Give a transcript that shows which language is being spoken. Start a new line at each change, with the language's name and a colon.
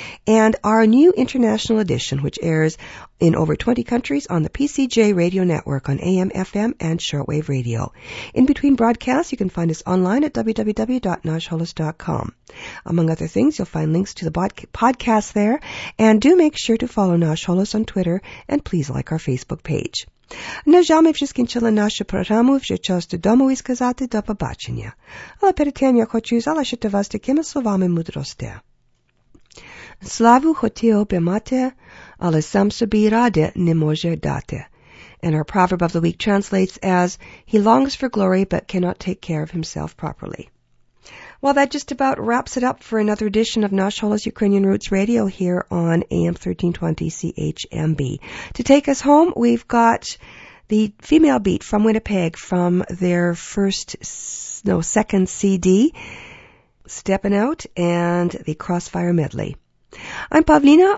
English: And our new international edition, which airs in over 20 countries on the PCJ Radio Network on AM, FM, and shortwave radio. In between broadcasts, you can find us online at www.nashholos.com. Among other things, you'll find links to the podcast there. And do make sure to follow Nash Holos on Twitter, and please like our Facebook page.
Ukrainian: На жаль, вже скінчила нашу програму, вже час додому і сказати до побачення. Але перед тим я хочу залишити вас такими словами мудрості. Славу хотів би мати, але сам собі ради не може дати.
English: And our proverb of the week translates as, he longs for glory but cannot take care of himself properly. Well, that just about wraps it up for another edition of Nash Holos Ukrainian Roots Radio here on AM 1320 CHMB. To take us home, we've got the female beat from Winnipeg from their second CD, Steppin' Out, and the Crossfire Medley. I'm Pavlina.